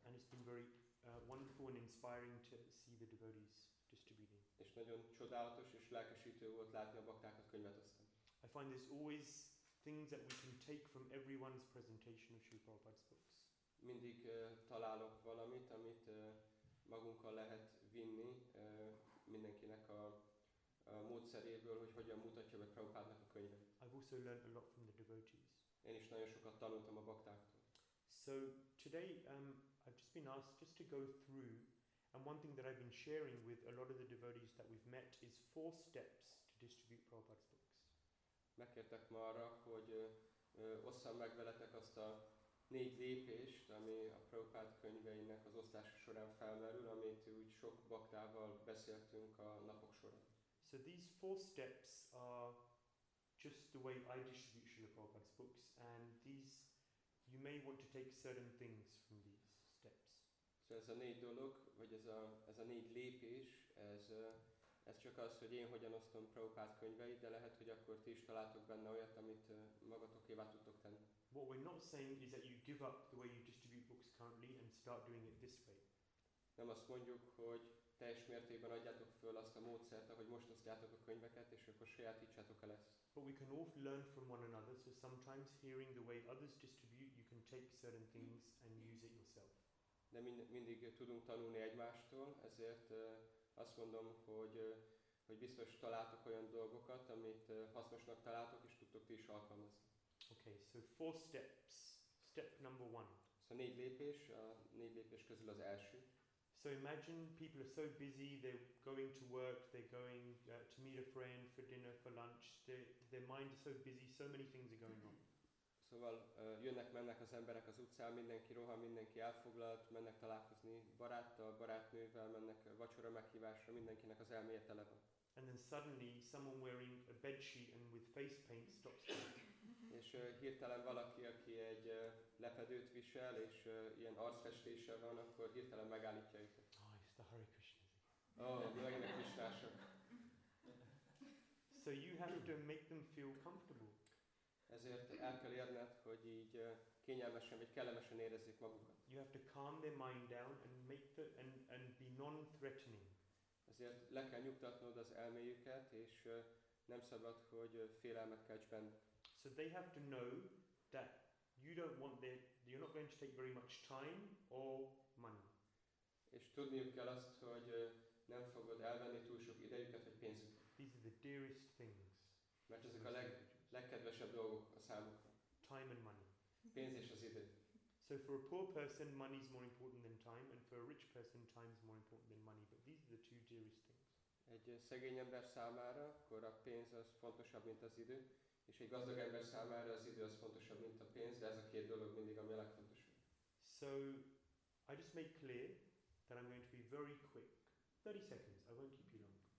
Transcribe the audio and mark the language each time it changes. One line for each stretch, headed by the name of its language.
English: And it's been very wonderful and inspiring to see the devotees distributing.
Hungarian: És nagyon csodálatos és lelkesítő volt látni a baktákat könyvet osztani.
English: I find there's always things that we can take from everyone's presentation of Srila Prabhupada's books.
Hungarian: Mindig találok valamit, amit magunkkal lehet vinni mindenkinek a módszeréből, hogy hogyan mutatja be Prabhupádnak a könyvet.
English: I've also learned a lot from the devotees.
Hungarian: Én is nagyon sokat tanultam a baktáktól.
English: So today I've just been asked just to go through, and one thing that I've been sharing with a lot of the devotees that we've met is 4 steps to distribute Prabhupada's books.
Hungarian: Megkértek ma arra, hogy osszam meg veletek azt a 4 lépést, ami a Prabhupád könyveinek az osztása során felmerül, amit úgy sok baktával beszéltünk a napok során.
English: So these 4 steps are just the way I distribute Srila Prabhupada's books, and these, you may want to take certain things from these steps.
Hungarian: So ez a 4 dolog, vagy ez a 4 lépés, ez csak az, hogy én hogyan osztom Prabhupád könyveit, de lehet, hogy akkor ti is találtok benne olyat, amit magatokévá tudtok tenni.
English: What we're not saying is that you give up the way you distribute books currently and start doing it this way.
Hungarian: Nem azt mondjuk, hogy teljes mértékben adjátok föl azt a módszert, ahogy most osztjátok a könyveket, és akkor sajátítsátok el ezt.
English: But we can all learn from one another, so sometimes hearing the way others distribute, you can take certain things and use it yourself.
Hungarian: De mindig tudunk tanulni egymástól, ezért azt mondom, hogy biztos találtok olyan dolgokat, amit hasznosnak találtok, és tudtok ti is alkalmazni.
English: Okay, so 4 steps. Step number 1.
Hungarian: So 4 lépés, a 4 lépés közül az első.
English: So imagine people are so busy, they're going to work, they're going to meet a friend for dinner, for lunch, their mind is so busy, so many things are going on.
Hungarian: Szóval jönnek-mennek az emberek az utcán, mindenki rohan, mindenki elfoglalt, mennek találkozni baráttal, barátnővel, mennek vacsora meghívásra, mindenkinek az elméje tele van.
English: And then suddenly someone wearing a bedsheet and with face paint stops them.
Hungarian: És hirtelen valaki, aki egy lepedőt visel, és ilyen arcfestése van, akkor hirtelen megállítja őket.
English: Oh, it's the Hare Krishna.
Hungarian: Oh, megint a kristások.
English: So you have to make them feel comfortable.
Hungarian: Ezért el kell érned, hogy így kényelmesen vagy kellemesen érezzék magukat.
English: You have to calm their mind down and make the and be non-threatening.
Hungarian: Ezért le kell nyugtatnod az elméjüket, és nem szabad, hogy félelmet kelts benne.
English: So they have to know that you don't want you're not going to take very much time or money.
Hungarian: És tudniuk kell azt, hogy nem fogod elvenni túl sok idejüket vagy pénzüket.
English: These are the dearest things.
Hungarian: Mert ezek a legkedvesebb dolgok a számukra.
English: Time and money.
Hungarian: Pénz és az idő.
English: So for a poor person, money is more important than time, and for a rich person, time is more important than money. But these are the two dearest things.
Hungarian: Egy szegény ember számára, akkor a pénz az fontosabb, mint az idő. És egy gazdag ember számára az idő az fontosabb, mint a pénz, de ez a két dolog mindig, ami a legfontosabb.
English: So, I just make clear that I'm going to be very quick. 30 seconds, I won't keep you long.